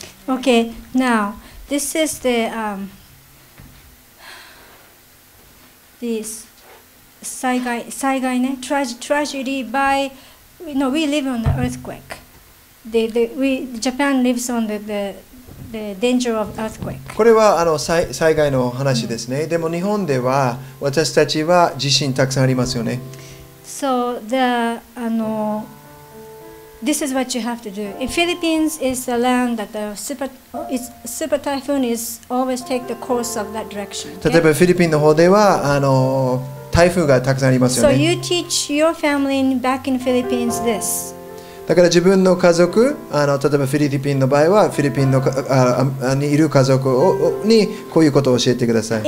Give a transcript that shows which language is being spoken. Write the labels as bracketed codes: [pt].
[en] Okay, now, this is the this 災害ね tragedy by you know we live on the earthquake the Japan lives on the danger of earthquake [ja] これはあの災害の話ですね、mm. でも日本では私たちは地震たくさんありますよね [en] so the this is what you have to do in Philippines is the land that the super typhoon is always take the course of that direction、 okay? [ja] 例えばフィリピンの方ではあの台風がたくさんありますよね。 [en] So you teach your family back in Philippines this. [ja] だから自分の家族、あの例えばフィリピンの場合はフィリピンのにいる家族にこういうことを教えてください。